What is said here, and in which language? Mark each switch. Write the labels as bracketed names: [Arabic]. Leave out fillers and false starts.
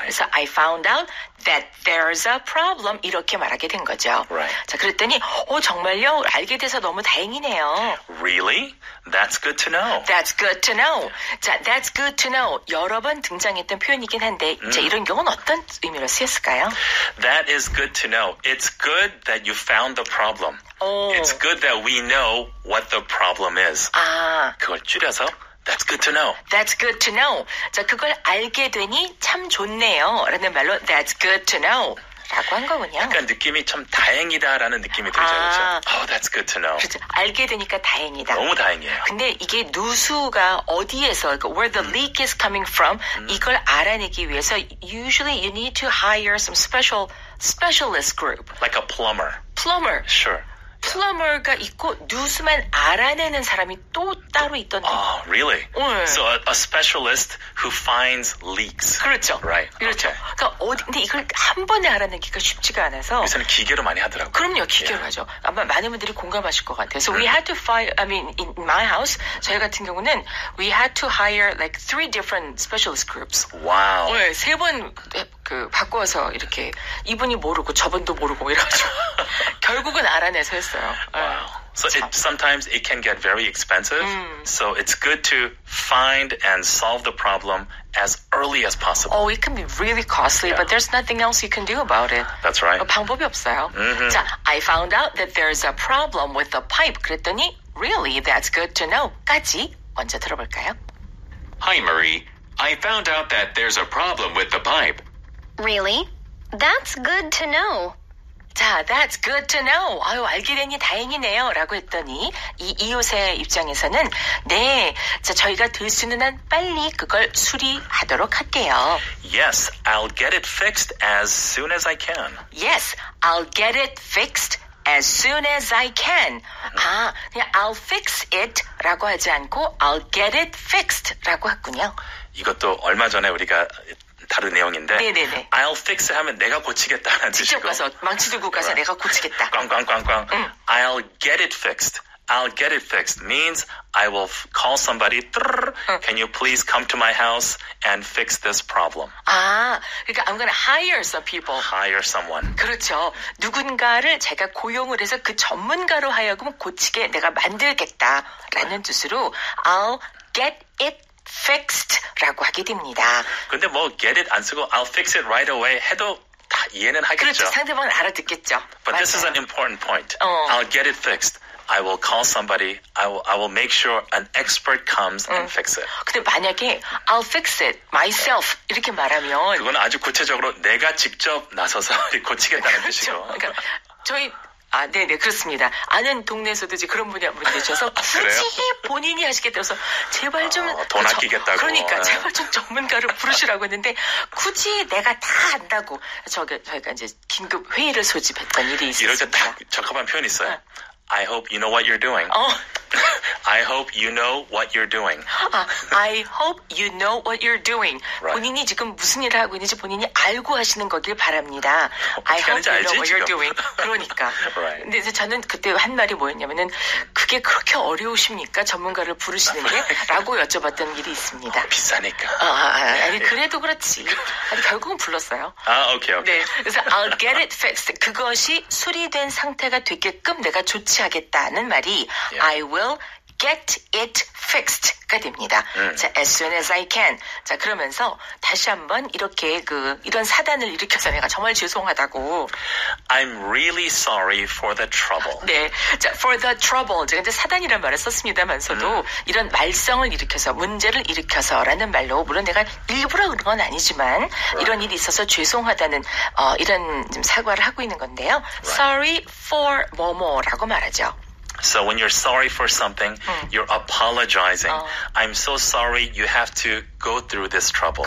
[Korean] 그래서 [English] I found out that there's a problem [Korean] 이렇게 말하게 된 거죠. [English] Right. [Korean] 자, 그랬더니 정말요? 알게 돼서 너무 다행이네요. [English] Really? That's good to know. That's good to know. 자, that's good to know. [Korean] 여러 번 등장했던 표현이긴 한데 자, 이런 경우는 어떤 의미로 쓰였을까요? [English] That is good to know. It's good that you found the problem. It's good that we know what the problem is. 아, [Korean] 그걸 줄여서 [English] That's good to know. That's good to know. [Korean] 자, 그걸 알게 되니 참 좋네요. 라는 말로 [English] That's good to know. [Korean] 라고 한 거군요. 약간 느낌이 참 다행이다라는 느낌이 들죠. 아, 그렇죠? [English] Oh, that's good to know. [Korean] 그렇죠. 알게 되니까 다행이다. 너무 다행이에요. 근데 이게 누수가 어디에서, 그러니까 [English] where the leak is coming from, [Korean] 이걸 알아내기 위해서 [English] usually you need to hire some specialist group. Like a plumber. Plumber. Sure. [Korean] 플러머가 있고 누수만 알아내는 사람이 또 따로 있던데. [English] Oh, really? 응. So a specialist who finds leaks. [Korean] 그렇죠. [English] Right. [Korean] 그렇죠. [English] Okay. [Korean] 그러니까 어디, 근데 이걸 한 번에 알아내기가 쉽지가 않아서. 요새는 기계로 많이 하더라고요. 그럼요, 기계로 yeah. 하죠. 아마 많은 분들이 공감하실 것 같아요. [English] So we had to find, I mean, in my house, [Korean] 저희 같은 경우는 [English] we had to hire like three different specialist groups. Wow. [Korean] 네, 세 번 그 바꿔서 이렇게 이분이 모르고 저분도 모르고 이러죠. 결국은 알아내서 했어요. [English] Wow. So it, sometimes it can get very expensive. So it's good to find and solve the problem as early as possible. Oh, it can be really costly, yeah. but there's nothing else you can do about it. That's right. [Korean] 방법이 없어요. Mm-hmm. [English] 자, I found out that there's a problem with the pipe. [Korean] 그랬더니, [English] really, that's good to know. [Korean] 까지 먼저 들어볼까요? [English] Hi, Marie. I found out that there's a problem with the pipe. Really? That's good to know. 자, that's good to know. [Korean] 아유, 알게 되니 다행이네요. 라고 했더니 이 이웃의 입장에서는 네, 자, 저희가 들 수 있는 한 빨리 그걸 수리하도록 할게요. [English] Yes, I'll get it fixed as soon as I can. Yes, I'll get it fixed as soon as I can. [Korean] 아, 그냥 [English] I'll fix it [Korean] 라고 하지 않고 [English] I'll get it fixed [Korean] 라고 했군요. 이것도 얼마 전에 우리가 다른 내용인데 네네네. [English] I'll fix [Korean] 하면 내가 고치겠다 라는 뜻이고 직접 가서 망치 들고 가서 right. 내가 고치겠다 [English] 꽝꽝꽝꽝 I'll get it fixed I'll get it fixed means I will call somebody can you please come to my house and fix this problem [Korean] 아 그러니까 [English] I'm gonna hire some people hire someone [Korean] 그렇죠 누군가를 제가 고용을 해서 그 전문가로 하여금 고치게 내가 만들겠다 라는 뜻으로 [English] I'll get it fixed [Korean] 라고 하게 됩니다. 근데 뭐 get it 안 쓰고 [English] I'll fix it right away [Korean] 해도 다 이해는 하겠죠. 그렇죠. 상대방은 알아듣겠죠. [English] But [Korean] 맞아요. [English] this is an important point. 어. I'll get it fixed. I will call somebody. I will make sure an expert comes and fix it. [Korean] 근데 만약에 [English] I'll fix it myself [Korean] 이렇게 말하면 그건 아주 구체적으로 내가 직접 나서서 고치겠다는 뜻이죠. 그러니까 저희 아, 네네, 그렇습니다. 아는 동네에서도 이제 그런 분이 한 분 계셔서 굳이 본인이 하시겠다고 해서 제발 좀 돈 아끼겠다고 그러니까 제발 좀 전문가를 부르시라고 했는데 굳이 내가 다 안다고 저희가 이제 긴급 회의를 소집했던 일이 있었습니다. 이럴 때 딱 적합한 표현이 있어요. [English] 아. I hope you know what you're doing. 어. I hope you know what you're doing. 아, I hope you know what you're doing. Right. [Korean] 본인이 지금 무슨 일을 하고 있는지 본인이 알고 하시는 거길 바랍니다. [English] I hope [Korean] 알지, [English] you know what you're doing. [Korean] 그러니까. [English] Right. [Korean] 근데 저는 그때 한 말이 뭐였냐면은 그게 그렇게 어려우십니까? 전문가를 부르시는 게? 라고 여쭤봤던 일이 있습니다. 어, 비싸니까. 아, 아니, 그래도 그렇지. 아니, 결국은 불렀어요. 아, 오케이, 오케이. 네. 그래서 [English] I'll get it fixed. [Korean] 그것이 수리된 상태가 되게끔 내가 조치하겠다는 말이 yeah. [English] I will get it fixed [Korean] 가 됩니다. [English] 자, as soon as I can. [Korean] 자, 그러면서 다시 한번 이렇게 그 이런 사단을 일으켜서 내가 정말 죄송하다고. [English] I'm really sorry for the trouble. 네, 자, for the trouble. [Korean] 제가 이제 사단이라는 말을 썼습니다만서도 이런 말썽을 일으켜서 문제를 일으켜서라는 말로 물론 내가 일부러 그런 건 아니지만 right. 이런 일이 있어서 죄송하다는 이런 좀 사과를 하고 있는 건데요. [English] Right. Sorry for [Korean] 뭐뭐라고 말하죠. [English] So when you're sorry for something, you're apologizing. I'm so sorry you have to go through this trouble.